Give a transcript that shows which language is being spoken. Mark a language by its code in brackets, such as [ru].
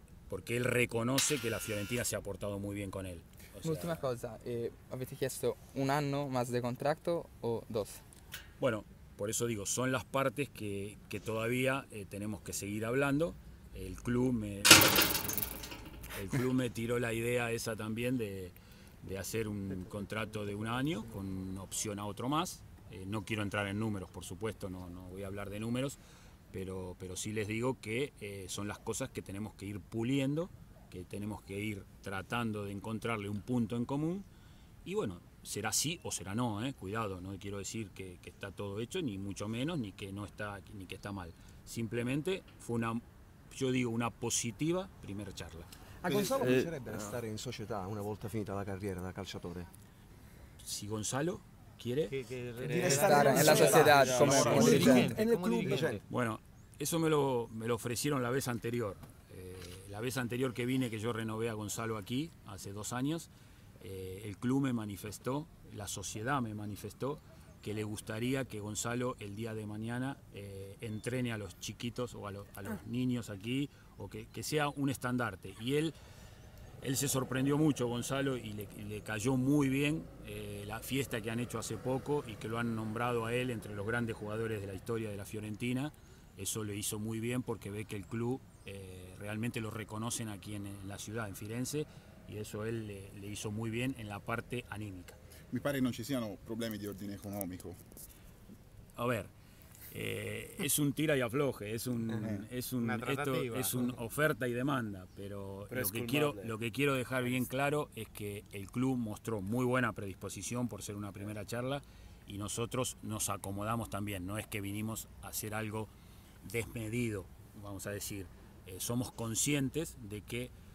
[it] Perché riconosce che la Fiorentina si è portato molto bene con él. Un'ultima cosa, avete chiesto un anno más di contratto o dos? [es] Bueno, por eso digo, son las partes que todavía tenemos que seguir hablando. El club me tiró la idea esa también de hacer un contrato de un año con opción a otro más. No quiero entrar en números, por supuesto, no voy a hablar de números. Pero sí les digo que son las cosas que tenemos que ir puliendo, que tenemos que ir tratando de encontrarle un punto en común. Y bueno, será sí o será no, cuidado, no quiero decir que está todo hecho, ni mucho menos, ni que no está, ni que está mal. Simplemente fue una positiva primera charla. [it] ¿A Gonzalo piacerebbe restare in società una volta finita la carriera da calciatore? [es] Si Gonzalo quiere estar en la sociedad, como en el club. Bueno, eso me lo ofrecieron la vez anterior. La vez anterior que vine, que yo renové a Gonzalo aquí, hace dos años, el club me manifestó, la sociedad me manifestó, que le gustaría que Gonzalo el día de mañana entrene a los chiquitos o a los niños aquí, o que sea un estandarte. Y él se sorprendió mucho, Gonzalo, y le cayó muy bien la fiesta que han hecho hace poco y que lo han nombrado a él entre los grandes jugadores de la historia de la Fiorentina. Eso le hizo muy bien porque ve que el club realmente lo reconocen aquí en la ciudad, en Firenze, y eso él le hizo muy bien en la parte anímica. [it] Mi pare non ci siano problemi di ordine economico. [es] A ver, Es un tira y afloje, es un, es un, esto es un oferta y demanda, pero lo que quiero dejar bien claro es que el club mostró muy buena predisposición por ser una primera charla y nosotros nos acomodamos también, no es que vinimos a hacer algo desmedido, vamos a decir, somos conscientes de que